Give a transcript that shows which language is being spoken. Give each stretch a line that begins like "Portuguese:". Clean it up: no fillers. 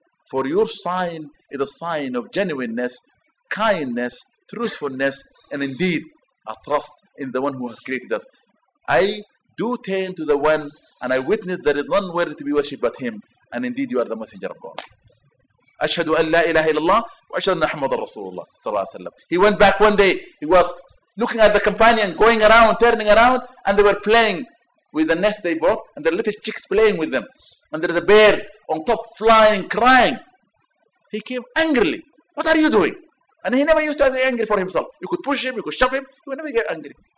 English: For your sign is a sign of genuineness, kindness, truthfulness, and indeed a trust in the one who has created us. I do turn to the one, and I witness there is none worthy to be worshipped but him, and indeed you are the Messenger of God.
Arabic: أشهد أن لا إله إلا الله وأشهد أن محمد رسول الله صلى الله عليه وسلم.
English: He went back one day. He was looking at the companion going around, turning around, and they were playing with the nest they bought, and the little chicks playing with them. And there is a bird on top flying, crying. He came angrily. What are you doing? And he never used to be angry for himself. You could push him, you could shove him, he would never get angry.